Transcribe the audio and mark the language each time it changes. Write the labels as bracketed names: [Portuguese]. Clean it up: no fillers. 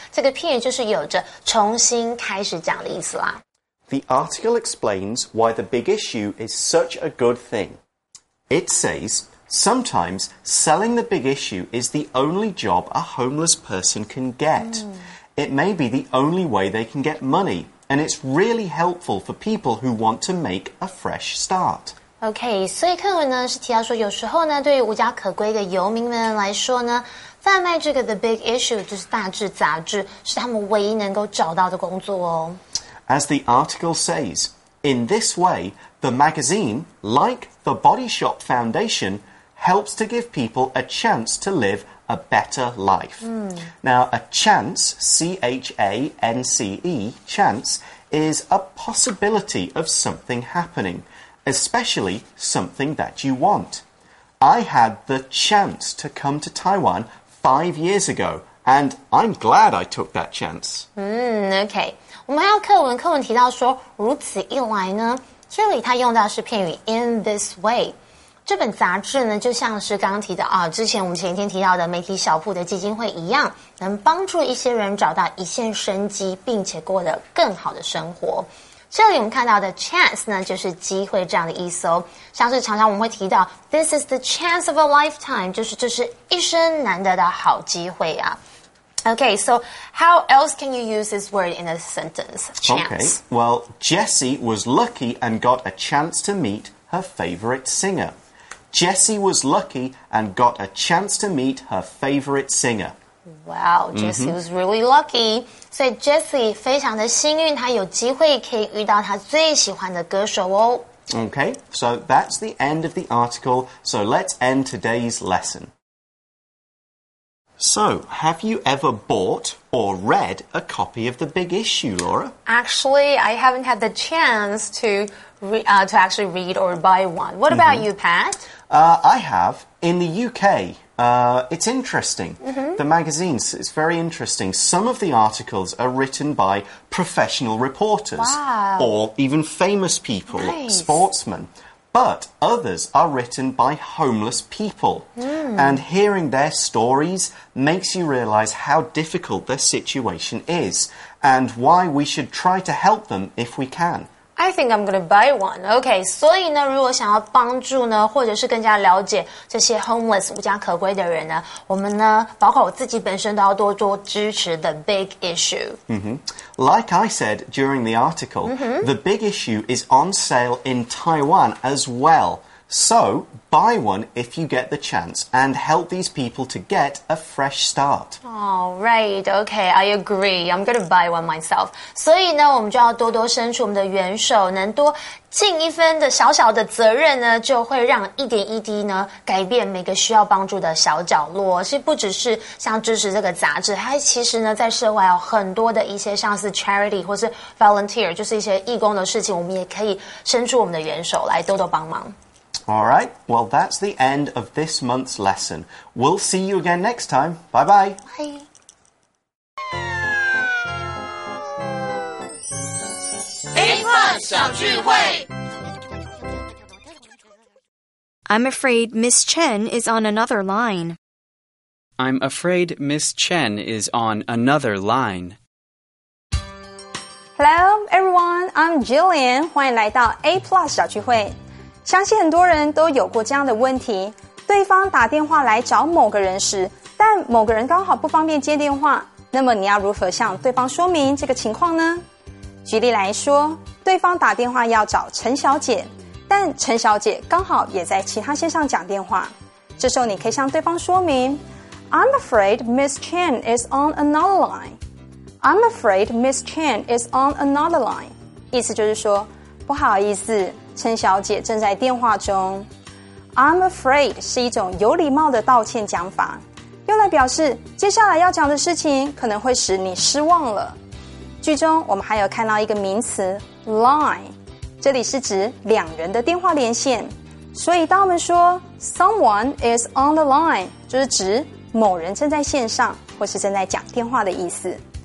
[Chinese] 这个片语就是有着重新开始讲的意思啦。 [English] The article explains why the big issue is such a good thing. It says, sometimes selling the big issue is the only job a homeless person can get. Mm. It may be the only way they can get money, and it's really helpful for people who want to make a fresh start. [Chinese] OK, 所以课文呢是提到说有时候呢对于无家可归的游民们来说呢贩卖这个 The Big Issue 就是大志杂志是他们唯一能够找到的工作哦。 [English] As the article says, in this way, the magazine, like the Body Shop Foundation, helps to give people a chance to live a better life.、 Mm. Now, a chance, C-H-A-N-C-E, chance, is a possibility of something happening. Especially something that you want. I had the chance to come to Taiwan 5 years ago, and I'm glad I took that chance. Okay. [Chinese] 我们还有课文，课文提到说，如此一来呢，这里它用到是片语 [English] in this way。 [Chinese] 这本杂志呢，就像是刚刚提的啊，之前我们前一天提到的媒体小铺的基金会一样，能帮助一些人找到一线生机，并且过得更好的生活。这里我们看到的 chance 呢，就是机会这样的意思哦。像是常常我们会提到 [English] this is the chance of a lifetime， [Chinese] 就是这是一生难得的好机会啊。 [English] Okay, so how else can you use this word in a sentence? Chance. Okay, well, Jessie was lucky and got a chance to meet her favorite singer. Jessie was lucky and got a chance to meet her favorite singer. Wow, Jessie、mm-hmm. was really lucky. [Chinese] So Jessie 非常的幸运，她有机会可以遇到她最喜欢的歌手哦。 [English] Okay, so that's the end of the article. So let's end today's lesson. So, have you ever bought or read a copy of The Big Issue, Laura? Actually, I haven't had the chance to actually read or buy one. What about、mm-hmm. you, Pat? I have. In the UK... it's interesting.、 Mm-hmm. The magazines, it's very interesting. Some of the articles are written by professional reporters、 wow. or even famous people,、 nice. sportsmen. But others are written by homeless people.、 Mm. And hearing their stories makes you realize how difficult their situation is and why we should try to help them if we can. I think I'm going to buy one. [Chinese] Okay, 所以呢，如果想要帮助呢，或者是更加了解这些 homeless 无家可归的人呢，我们呢，包括我自己本身都要多多支持 The Big Issue. [English] Mm-hmm. Like I said during the article, mm-hmm. The Big Issue is on sale in Taiwan as well. So, buy one if you get the chance and help these people to get a fresh start. All right, okay, I agree. I'm going to buy one myself. [Chinese] 所以呢，我们就要多多伸出我们的援手，能多尽一分的小小的责任呢，就会让一点一滴呢，改变每个需要帮助的小角落。其实不只是像支持这个杂志，它其实呢，在社外有很多的一些像是 charity 或是 volunteer， 就是一些义工的事情，我们也可以伸出我们的援手来多多帮忙。 [English] All right, well, that's the end of this month's lesson. We'll see you again next time. Bye-bye. Bye. [Chinese] A-Plus 小聚会 [English] I'm afraid Miss Chen is on another line. I'm afraid Miss Chen is on another line. Hello, everyone. I'm Jillian. [Chinese] 欢迎来到 A Plus 小聚会。相信很多人都有过这样的问题：对方打电话来找某个人时，但某个人刚好不方便接电话。那么你要如何向对方说明这个情况呢？举例来说，对方打电话要找陈小姐，但陈小姐刚好也在其他线上讲电话。这时候你可以向对方说明 ： [English] I'm afraid Miss Chen is on another line. [Chinese] I'm afraid Miss Chen is on another line. 意思就是说，不好意思，陈小姐正在电话中。 I'm afraid 是一种有礼貌的道歉讲法，用来表示接下来要讲的事情可能会使你失望了。剧中我们还有看到一个名词 line， 这里是指两人的电话连线，所以当我们说 [English] someone is on the line， [Chinese] 就是指某人正在线上或是正在讲电话的意思。